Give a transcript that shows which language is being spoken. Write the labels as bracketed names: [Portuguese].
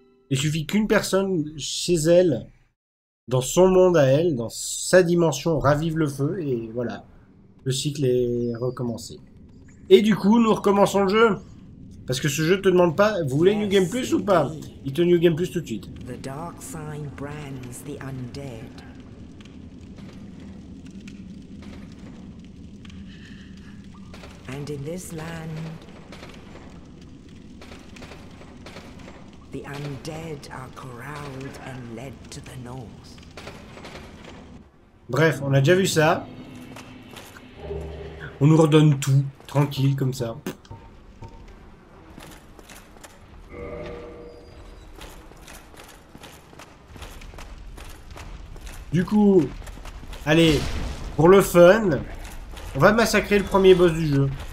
[French] Il suffit qu'une personne chez elle, dans son monde à elle, dans sa dimension, ravive le feu, et voilà, le cycle est recommencé. Et du coup, nous recommençons le jeu, parce que ce jeu te demande pas, vous voulez New Game Plus ou pas ? Il te New Game Plus tout de suite. [English] The dark sign brands the undead. And in this land, the undead are corralled and led to the north. [French] Bref, on a déjà vu ça. On nous redonne tout, tranquille, comme ça. Du coup, allez, pour le fun, on va massacrer le premier boss du jeu.